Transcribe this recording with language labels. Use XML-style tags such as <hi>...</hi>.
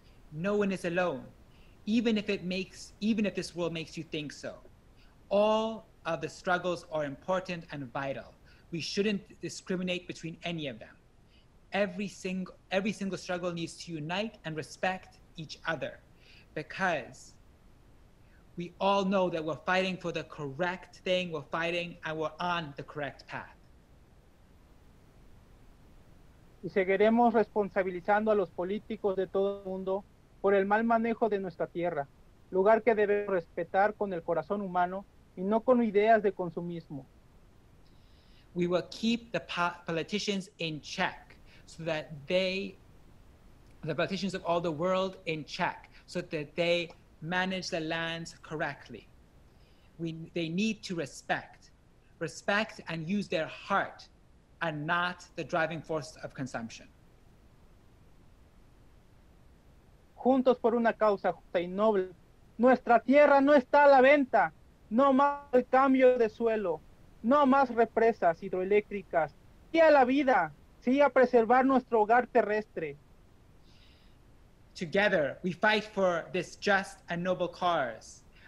<en>No one is alone, even if this world makes you think so. All of the struggles are important and vital. We shouldn't discriminate between any of them. Every single struggle needs to unite and respect each other, because we all know that we're fighting for the correct thing, we're fighting and we're on the correct path.</en> <es>Y seguiremos responsabilizando a los políticos de todo el mundo por el mal manejo de nuestra tierra, lugar que debemos respetar con el corazón humano y no con ideas de consumismo.</es> <en>We will keep the politicians in check so that they, the politicians of all the world in check, so that they manage the lands correctly. They need to respect and use their heart and not the driving force of consumption.</en> <es>Juntos por una causa justa y noble, nuestra tierra no está a la venta. No más el cambio de suelo, no más represas hidroeléctricas. Sí a la vida, sí a preservar nuestro hogar terrestre.</es> <en>Together, we fight for this just and noble cause.</en>